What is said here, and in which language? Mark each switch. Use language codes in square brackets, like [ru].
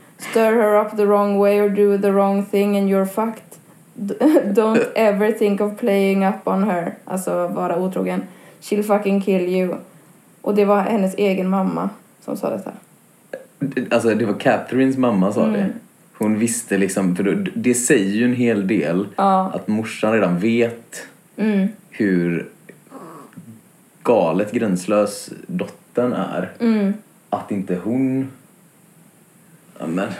[en] Stir her up the wrong way or do the wrong thing and you're fucked. Don't ever think of playing up on her." [sv] Alltså vara otrogen. [en] "She'll fucking kill you." [sv] Och det var hennes egen mamma som sa detta. Alltså det var Catherines mamma sa det. Hon visste liksom, för det säger ju en hel del. Ja. Att morsan redan vet hur galet gränslös dottern är. Mm. Att inte hon... Amen.